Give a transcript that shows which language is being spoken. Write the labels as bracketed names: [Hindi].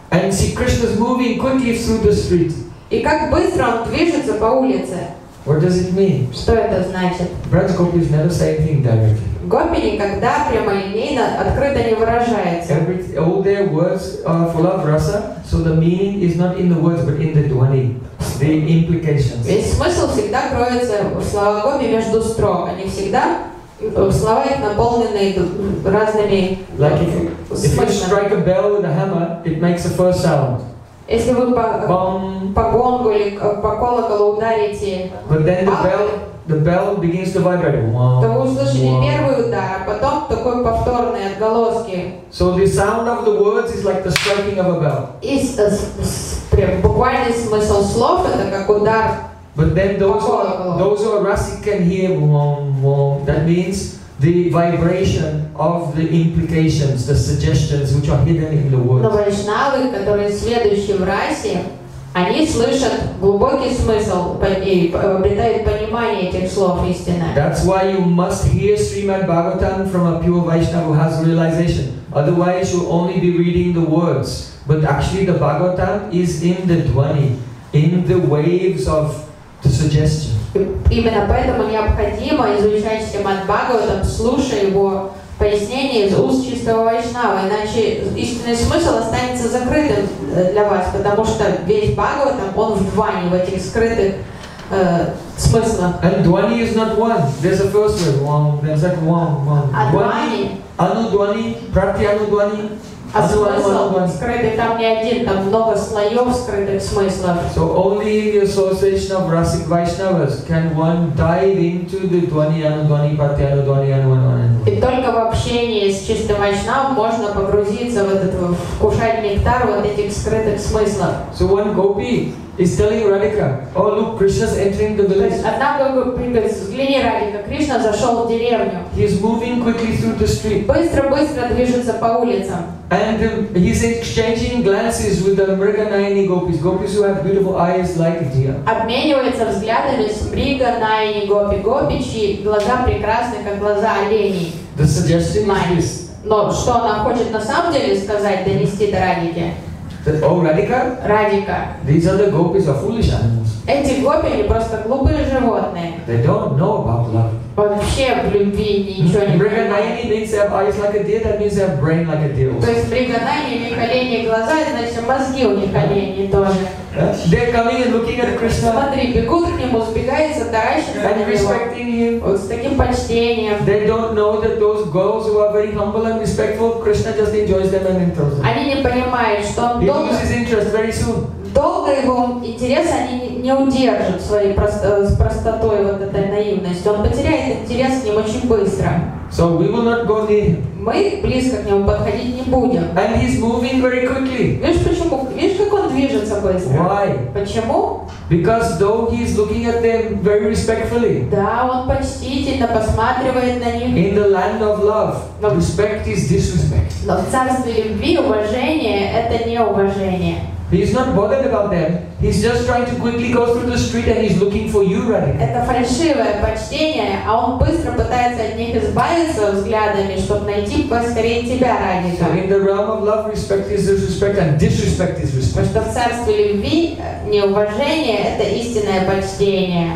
[English] And see Krishna's moving quickly through the street. [Russian] И как быстро он движется по улице. [English] What does it mean? [Russian] Что это значит? [English] Brahma gopis never say anything directly. [Russian] Гопи никогда прямолинейно, открыто не выражается. [English] All their words are full of rasa, so the meaning is not in the words, but in the dhwani, the implications. [Russian] Весь смысл всегда кроется в словах гопи между строк. Они всегда в словах наполнены разными смыслами. [English] Like if you strike a bell with a hammer, it makes a first sound. [Russian] Если вы по гонгу или по колоколу ударите, [English] but then the bell begins to vibrate. Wow. [Russian] То вы услышите первый удар, а потом такой повторный отголоски. [English] So the sound of the words is like the striking of a bell. [Russian] И буквальный смысл слов это как удар. [English] But then those who are rasic can hear wom wom. That means the vibration of the implications, the suggestions which are hidden in the words. [Russian] Но вайшнавы, которые следующие в расе, они слышат глубокий смысл и обретают понимание этих слов истины. [English] That's why you must hear Srimad Bhagavatam from a pure Vaishnava who has realization. Otherwise you'll only be reading the words. But actually the Bhagavatam is in the dhwani, in the waves of the suggestion. [Russian] Именно поэтому необходимо изучать Srimad Bhagavatam, слушая его пояснение из уст чистого вайшнава, иначе истинный смысл останется закрытым для вас, потому что весь Бхагаватам, он в дхване, в этих скрытых смыслах. [English] And dhwani is not one. There's a first word, one. There's like one. [Russian] А dhwani? [Sanskrit] Anu dhwani, prati anu dhwani. [Russian] А смысл скрытый там не один, там много слоев скрытых смыслов. [English] So only in the association of rasic Vaishnavas can one dive into the dhwani, anu dhwani, prati anu dhwani, anu anu anu. [Russian] И только в общении с чистым вайшнавом можно погрузиться в этот, вкушать нектар вот этих скрытых смыслов. [English] So one gopi is telling Radhika, oh look, Krishna's entering the village. [Russian] Одна гопи говорит, взгляни, Радика, Кришна зашел в деревню. [English] He is moving quickly through the street. [Russian] Быстро-быстро движется по улицам. [English] And he's exchanging glances with the Mriganayini gopis, gopis who have beautiful eyes like deer. [Russian] Обменивается взглядами с Mriganayini gopi, гопи, чьи глаза прекрасны, как глаза оленей. [English] The suggestion is this. [Russian] Но что она хочет на самом деле сказать, донести до Радики? [English] That, oh, Radhika? Radhika. These other gopis are foolish animals. [Russian] Эти гопи, они просто глупые животные. [English] They don't know about love. [Russian] Вообще в любви ничего не понимают. [English] Mriganayini means they have eyes like a deer, that means they have brain like a deer. [Russian] То есть Mriganayini, у них оленьи глаза, значит мозги у них оленьи тоже. [English] They're coming and looking at Krishna. [Russian] Смотри, бегут к нему, сбегают, затаращиваются на него. Вот с таким почтением. [English] They don't know that those girls who are very humble and respectful, Krishna just enjoys them and enthralls them. [Russian] Они не понимают, что он [English] долго. He loses interest very soon. [Russian] Долго его интерес они не удержат своей простотой вот этой наивностью. Он потеряет интерес к ним очень быстро. [English] So we will not go near him. [Russian] Мы близко к нему подходить не будем. [English] And he's moving very quickly. [Russian] Видишь, почему? Видишь, как он движется быстро? [English] Why? [Russian] Почему? [English] Because though he's looking at them very respectfully. [Russian] Да, он почтительно посматривает на них. [English] In the land of love, respect is disrespect. [Russian] Но в царстве любви уважение – это неуважение. [English] He's not bothered about them. He's just trying to quickly go through the street and he's looking for you running. [Russian] Это фальшивое почтение, а он быстро пытается от них избавиться взглядами, чтобы найти поскорее тебя ради. [English] So in the realm of love, respect is disrespect and disrespect is respect. [Russian] Что в царстве любви неуважение – это истинное почтение.